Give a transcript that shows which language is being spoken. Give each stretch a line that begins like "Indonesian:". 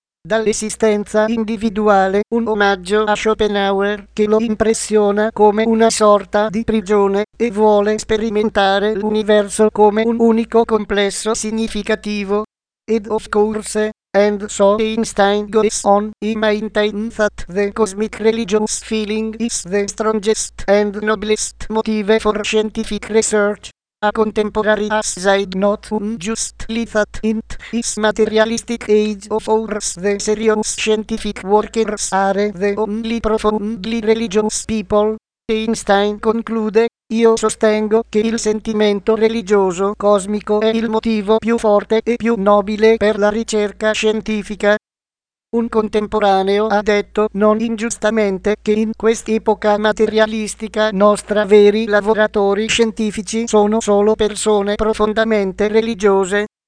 Italian: Dall'esistenza individuale, un omaggio a Schopenhauer che lo impressiona come una sorta di prigione e vuole sperimentare l'universo come un unico complesso significativo.
English: Ed of course, and so Einstein goes on, he maintains that the cosmic religious feeling is the strongest and noblest motive for scientific research. A contemporary aside not unjustly that in this materialistic age of ours the serious scientific workers are the only profoundly religious people.
Italian: Einstein conclude, io sostengo che il sentimento religioso cosmico è il motivo più forte e più nobile per la ricerca scientifica. Un contemporaneo ha detto, non ingiustamente, che in quest'epoca materialistica nostra veri lavoratori scientifici sono solo persone profondamente religiose.